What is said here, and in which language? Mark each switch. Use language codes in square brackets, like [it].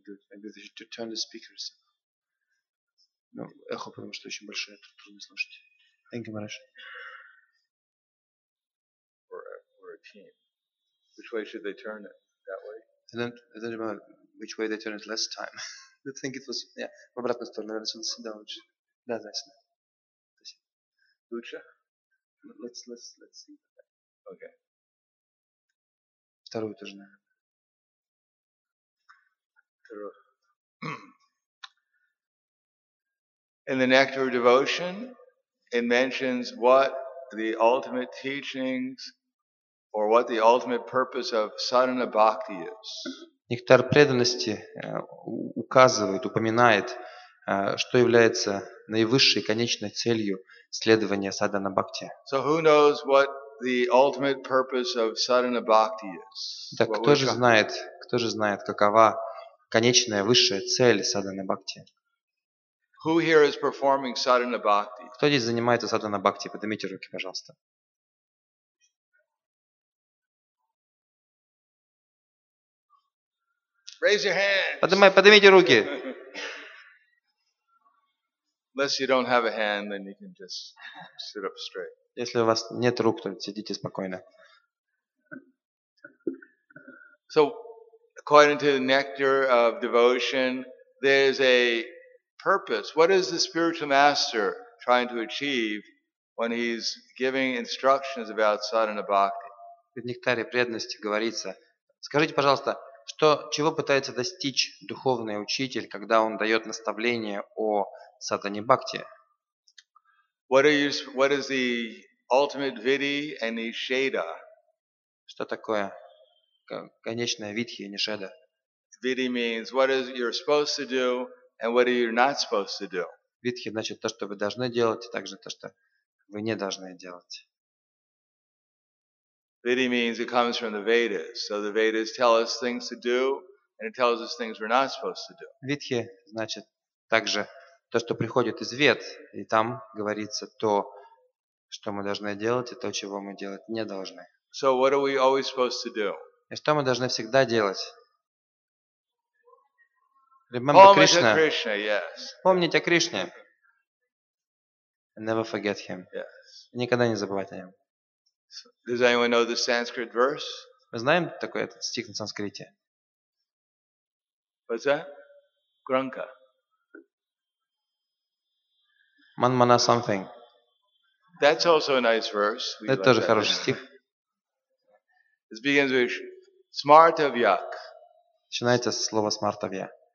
[en] Maybe they should turn the speakers. No, [ru] эхо, потому что очень большое, тут трудно слушать. [en] Thank you, Maharaj. Which way should they turn it? That way? I don't remember which way they turned it last time. I think it was, yeah, [ru] в обратную сторону, наверное, сюда лучше. Да, значит. Лучше? [en] Let's see. Okay. [ru] Вторую тоже, наверное. [en] In the Nectar of Devotion, it mentions what the ultimate teachings or what the ultimate purpose of sadhana bhakti is. [ru] Нектар преданности указывает, упоминает, что является наивысшей конечной целью следования садхана бхакти. [en] So who knows what the ultimate purpose of sadhana bhakti is? [ru] Так кто же знает, какова конечная высшая цель садхана бхакти? [en] Who here is performing sadhana bhakti? [ru] Кто здесь занимается садхана бхакти? Поднимите руки, пожалуйста. [en] Raise your hands. [ru] Поднимите руки. [en] Unless you don't have a hand, then you can just sit up straight. [ru] Если у вас нет рук, то сидите спокойно. [en] So, according to the Nectar of Devotion, there is a purpose. What is the spiritual master trying to achieve when he's giving instructions about sadhana bhakti? [ru] В Нектаре преданности говорится. Скажите, пожалуйста, чего пытается достичь духовный учитель, когда он дает наставление о садхане бхакти? [en] What is the ultimate vidhi and nisheda? [ru] Что такое конечная видхи и нишеда? [en] Vidhi means what is you're supposed to do and what are you not supposed to do. [ru] Видхи значит то, что вы должны делать, и также то, что вы не должны делать. [en] Vidhi means it comes from the Vedas. So the Vedas tell us things to do, and it tells us things we're not supposed to do. [ru] Vidhi значит также то, что приходит из Вед, и там говорится то, что мы должны делать, и то, чего мы делать не должны. [en] So what are we always supposed to do? [ru] И что мы должны всегда делать? [en] Krishna, yes. [ru] Помнить о Кришне. [en] Never forget him. Yes. [ru] Никогда не забывать о нем. [en] Does anyone know the Sanskrit verse? [ru] Мы знаем такой этот стих на санскрите. [en] What's that? Granka. Manmana something. That's also a nice verse. [ru] Это like тоже хороший стих. [en] It begins with smartavyak. [ru] Начинается с слова смартавья.